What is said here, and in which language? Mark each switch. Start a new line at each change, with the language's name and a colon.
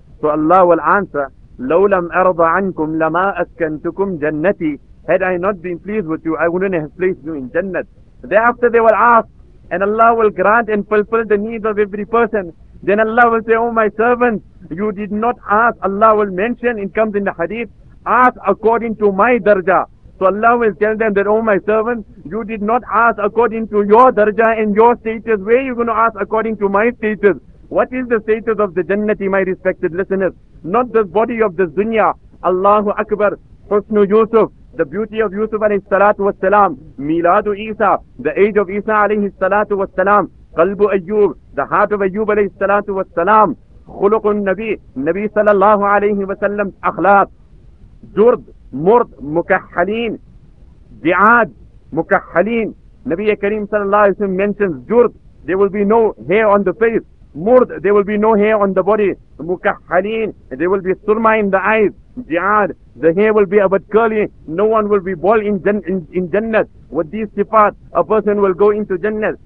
English: So Allah will answer,
Arabic: لَوْ لَمْ أَرْضَ عَنْكُمْ لَمَا أَسْكَنْتُكُمْ جَنَّتِي.
English: Had I not been pleased with you, I wouldn't have placed you in Jannat. Thereafter they will ask, and Allah will grant and fulfill the needs of every person. Then Allah will say, oh my servant, you did not ask. Allah will mention, it comes in the hadith, ask according to my darja. So Allah will tell them that, oh my servant, you did not ask according to your darja and your status. Where are you going to ask according to my status? What is the status of the jannati, my respected listeners? Not the body of the dunya. Allahu Akbar. Husnu Yusuf, the beauty of Yusuf alayhi salatu was salam. Miladu Isa, the age of Isa alayhi salatu was salam. Qalbu Ayyub, the heart of Ayyub alayhi salatu was salam. Khuluqun Nabi, Nabi sallallahu alayhi wa sallam, akhlaq.
Arabic: Jurd, مرد مكحلين دعاد مكحلين.
English: نبي كريم صلى الله عليه وسلم mentions جرد, there will be no hair on the face. مرد, there will be no hair on the body.
Arabic: مكحلين,
English: there will be surma in the eyes. دعاد, the hair will be a bit curly. No one will be bald in Jannah. With these sifat, a person will go into Jannah.